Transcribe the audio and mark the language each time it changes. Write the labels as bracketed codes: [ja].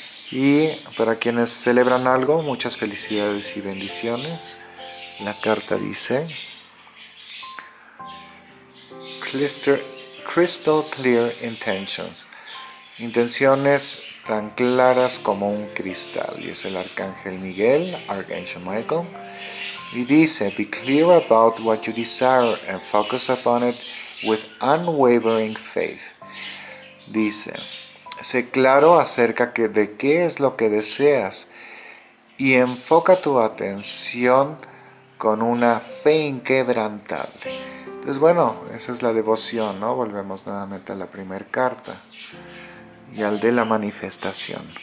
[es] Y para quienes celebran algo, muchas felicidades y bendiciones. La carta dice: [en] crystal clear intentions. [es] Intenciones tan claras como un cristal. Y es el Arcángel Miguel, Archangel Michael. Y dice: [en] be clear about what you desire and focus upon it with unwavering faith. [es] Dice: sé claro acerca de qué es lo que deseas y enfoca tu atención con una fe inquebrantable. Entonces, bueno, esa es la devoción, ¿no? Volvemos nuevamente a la primera carta y al de la manifestación.